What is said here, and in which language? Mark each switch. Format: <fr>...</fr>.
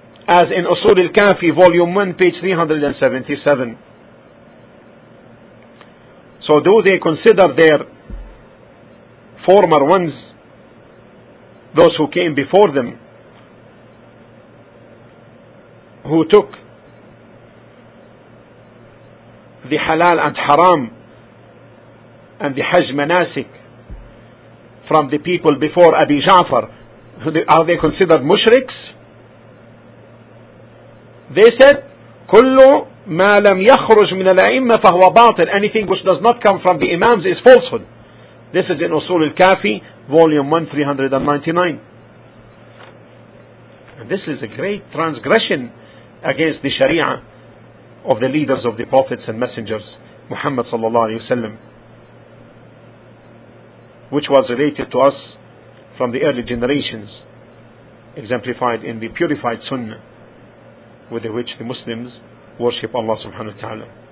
<en>as in Usul al-Kafi, volume 1, page 377. So do they consider their former ones, those who came before them, who took the halal and haram and the Hajj Manasik from the people before Abi Ja'far, are they considered mushriks? They said,</en> <ar>كُلُّ مَا لَمْ يَخْرُجْ مِنَ الْأَئِمَّةِ فَهُوَ بَاطِلٌ.</ar> <en>Anything which does not come from the Imams is falsehood. This is in Usul al-Kafi, volume 1, 399. And this is a great transgression against the Sharia of the leaders of the prophets and messengers, Muhammad sallallahu alayhi wa sallam, which was related to us from the early generations, exemplified in the purified Sunnah with which the Muslims worship Allah subhanahu wa ta'ala.</en>